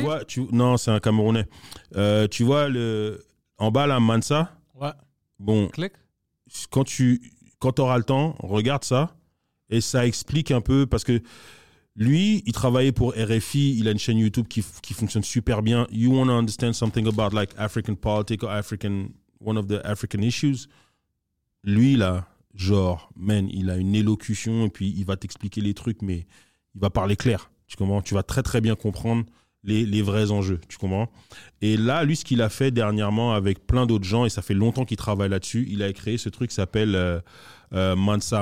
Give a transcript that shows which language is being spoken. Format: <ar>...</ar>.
<fr>Donc, non, c'est un Camerounais. Tu vois, en bas, là, Mansa. Ouais. Bon. Clique. Quand tu auras le temps, regarde ça. Et ça explique un peu... Parce que Lui, il travaillait pour RFI, il a une chaîne YouTube qui fonctionne super bien.</fr> <en>You want to understand something about like African politics or African, one of the African issues?</en> <fr>Lui, là, genre, man, il a une élocution et puis il va t'expliquer les trucs, mais il va parler clair. Tu comprends? Tu vas très, très bien comprendre les vrais enjeux. Tu comprends? Et là, lui, ce qu'il a fait dernièrement avec plein d'autres gens, et ça fait longtemps qu'il travaille là-dessus, il a créé ce truc qui s'appelle Mansa.</fr>